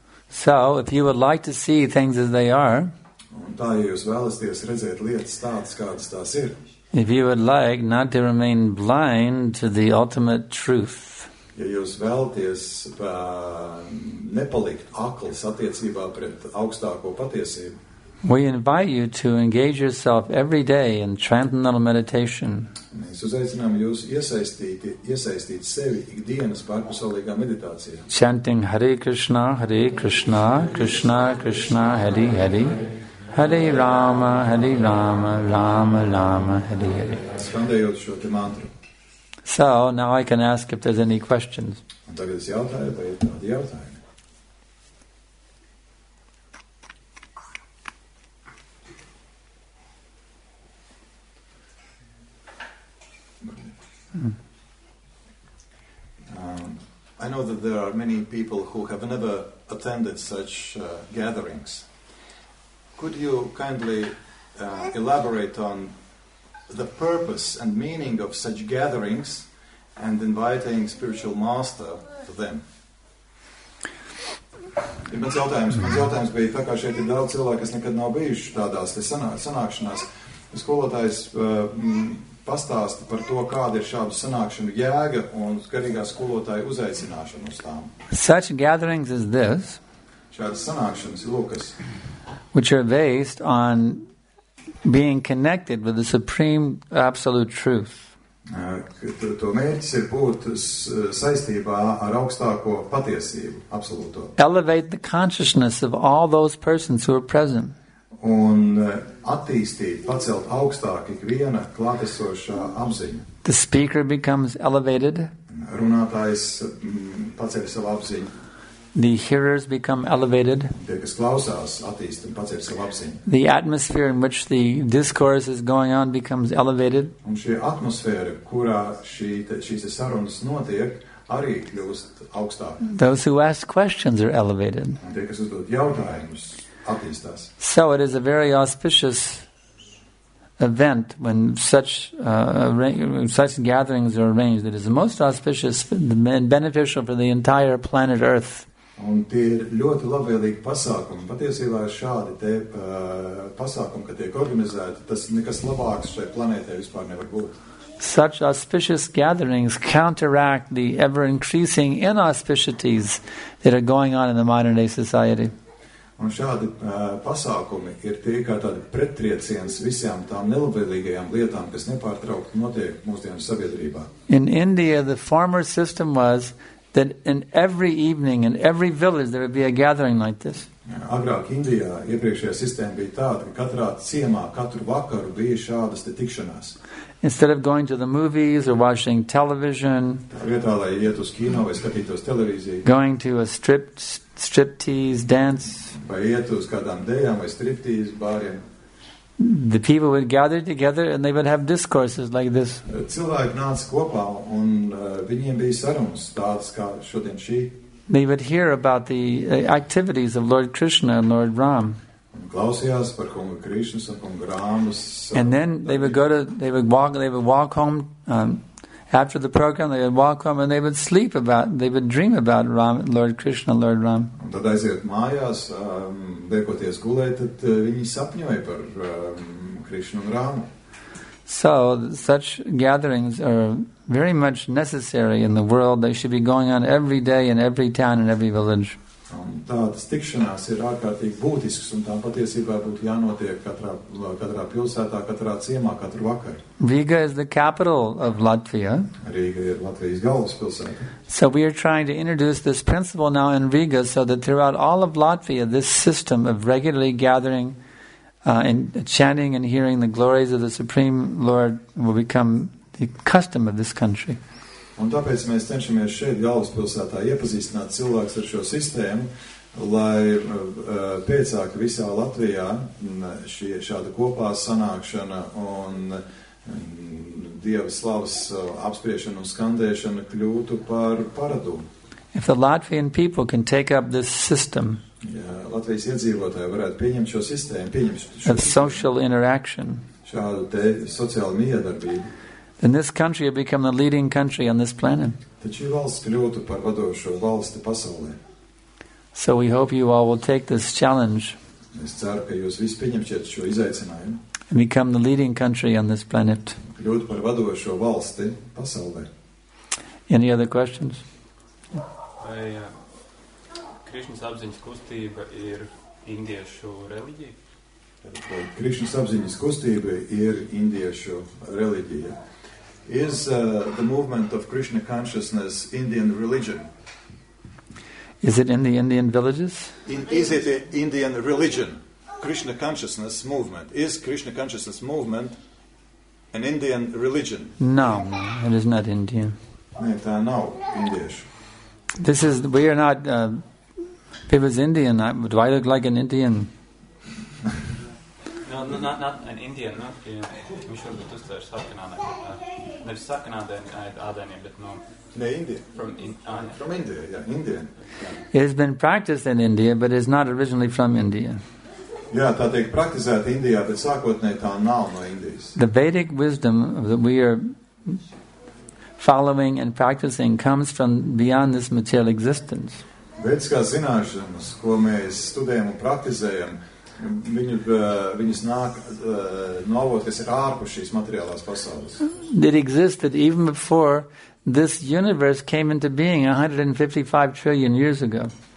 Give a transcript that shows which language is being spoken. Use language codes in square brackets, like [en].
[en] So, if you would like to see things as they are, [lv] un tā, ja jūs vēlaties redzēt lietas tādas, kādas tās ir, [en] if you would like not to remain blind to the ultimate truth, [lv] ja jūs vēlaties nepalikt akls attiecībā pret augstāko patiesību, [en] we invite you to engage yourself every day in transcendental meditation. [lv] Mēs uzaicinām jūs iesaistīt sevi ikdienas pārpasaulīgā meditācijā. [en] Chanting Hare Krishna, Krishna, Krishna, Hare Hare, Hare Rama, Rama, Rama, Hare Hare. [lv] Skandējot šo te mantru. [en] So, now I can ask if there's any questions. [lv] Tagad es jautāju, vai ir tādi jautājumi? [en] I know that there are many people who have never attended such gatherings. Could you kindly elaborate on the purpose and meaning of such gatherings and inviting spiritual master to them? [lv] Bet jautājums bija, tā kā šeit ir daudz cilvēku, kas nekad nav bijuši tādās te sanākšanās. Skolotājs pastāsta par to, kāda ir šādu sanākšanu jēga un garīgā skolotāja uzaicināšana uz tām. [en] Such gatherings as this, [lv] šādas sanākšanas, Lukas, [en] which are based on being connected with the supreme absolute truth. [lv] To mērķis ir būt saistībā ar augstāko patiesību, absolūto. [en] Elevate the consciousness of all those persons who are present. [lv] Un attīstīt, pacelt augstāk ikviena klātesošā apziņa. [en] The speaker becomes elevated. [lv] Runātājs paceļ savu apziņu. [en] The hearers become elevated. [lv] Tie, kas klausās, attīst un paceļ savu apziņu. [en] The atmosphere in which the discourse is going on becomes elevated. [lv] Un šī atmosfēra, kurā šīs sarunas notiek, arī kļūst augstāk. [en] Those who ask questions are elevated. [lv] Un tie, kas uzdod jautājumus, attīstās. [en] So it is a very auspicious event when such gatherings are arranged. It is the most auspicious and beneficial for the entire planet Earth. [lv] Un tie ir ļoti labvēlīgi pasākumi. Patiesībā šādi te pasākumi, kad tiek organizēti, tas nekas labāks šai planētē vispār nevar būt. [en] Such auspicious gatherings counteract the ever-increasing inauspicities that are going on in the modern-day society. [lv] Un šādi pasākumi ir tie kā tādi pretrieciens visām tām nelabvēlīgajām lietām, kas nepārtraukti notiek mūsdienu sabiedrībā. [en] In India, the former system was that in every evening, in every village, there would be a gathering like this. [lv] Agrāk Indijā iepriekšējā sistēma bija tāda, ka katrā ciemā katru vakaru bija šādas te tikšanās. [en] Instead of going to the movies or watching television, [lv] vietā, lai iet uz kino vai skatītos televīziju, [en] going to a striptease dance, [lv] vai iet uz kādām dējām vai striptease bāriem, [en] the people would gather together and they would have discourses like this. [lv] Cilvēki nāca kopā un viņiem bija sarunas tādas kā šodien šī. [en] They would hear about the activities of Lord Krishna and Lord Ram. [lv] Klausījās par kungu Krishnas un kungu Ramas. [en] And then they would walk home after the program, they would walk home and they would dream about Ram, Lord Krishna, Lord Ram. [lv] Un tad aiziet mājās, beigoties gulēt, tad viņi sapņoja par Krishna un Ramu. [en] So, such gatherings are very much necessary in the world. They should be going on every day in every town and every village. [lv] Un tādas tikšanās ir ārkārtīgi būtisks, un tām patiesībā būtu jānotiek katrā pilsētā, katrā ciemā, katru vakaru. [en] Riga is the capital of Latvia. [lv] Riga ir Latvijas galvaspilsēta. [en] So we are trying to introduce this principle now in Riga so that throughout all of Latvia, this system of regularly gathering and chanting and hearing the glories of the Supreme Lord will become the custom of this country. [lv] Un tāpēc mēs cenšamies šeit galvaspilsētā iepazīstināt cilvēkus ar šo sistēmu, lai pēcāk visā Latvijā šāda kopā sanākšana un Dieva slavas apspriešana un skandēšana kļūtu par paradumu. [en] If the Latvian people can take up this system, [lv] Latvijas iedzīvotāji varētu pieņemt šo sistēmu, [en] of social interaction, [lv] šādu te sociālu miedarbību, [en] then this country will become the leading country on this planet. [lv] Tad šī valsts kļūtu par vadošo valsti pasaulē. [en] So we hope you all will take this challenge. [lv] Es ceru, ka jūs visi pieņemsiet šo izaicinājumu. [en] And become the leading country on this planet. [lv] Kļūt par vadošo valsti pasaulē. [en] Any other questions? [lv] Vai Krišnas apziņas kustība ir indiešu reliģija? Krishna's apziņas kustība ir indiešu reliģija. [en] Is the movement of Krishna consciousness Indian religion? Is it in the Indian villages? Is it an Indian religion? Krishna consciousness movement. Is Krishna consciousness movement an Indian religion? No, it is not Indian. Nē, tā nav indiešu. This is, we are not, if it was Indian, do I look like an Indian? No, no, not, not an Indian, no? Yeah. [lv] Viņš varbūt uzstāja ar sarkanādēm. Nevis sarkanādēm, bet no... Ne, [en] Indian. From, from India, yeah, Indian. It has been practiced in India, but it's not originally from India. [lv] Jā, tā tiek praktizēta Indijā, bet sākotnē tā nav no Indijas. [en] The Vedic wisdom that we are following and practicing comes from beyond this material existence. [lv] Vedskās zināšanas, ko mēs studējam un praktizējam, viņas nāk no avot, kas ir ārpus šīs materiālās pasaules. [en] It existed even before this universe came into being 155 trillion years ago.